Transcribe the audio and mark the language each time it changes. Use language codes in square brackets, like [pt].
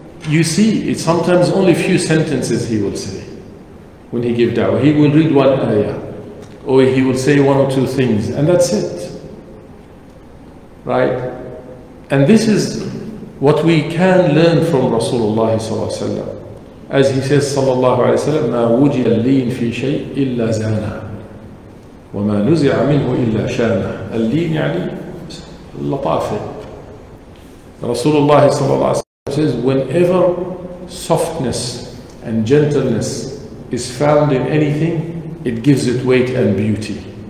[en] You see, it's sometimes only a few sentences he will say when he gives da'wah. He will read one ayah, or he will say one or two things, and that's it. Right? And this is what we can learn from Rasulullah sallallahu alaihi wasallam. As he says, sallallahu alaihi wasallam, [ar] ما وجي اللين في شيء إلا زانا وما نزع منه إلا شانا. اللين يعني لطافة. [en] Rasulullah sallallahu alaihi wasallam says, whenever softness and gentleness is found in anything, it gives it weight and beauty.